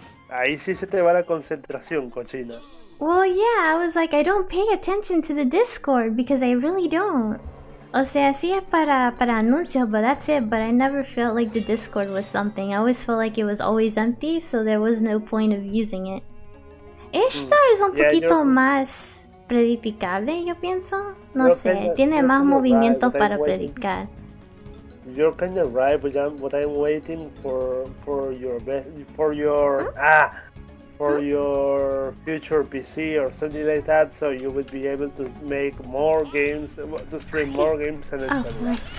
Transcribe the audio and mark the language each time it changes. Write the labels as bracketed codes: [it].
[es] Ahí sí se te va la concentración, cochina. [en] Well, yeah, I was like, I don't pay attention to the Discord because I really don't. [es] O sea, sí es para anuncios, [en] but that's it. But I never felt like the Discord was something. I always felt like it was always empty, so there was no point of using it. [es] Ishtar es un poquito más predicable, yo pienso. Tiene más movimiento para predicar. [en] You're kind of right, but I'm waiting for your best, for your your future PC or something like that, so you would be able to make more games, to stream more games and etc.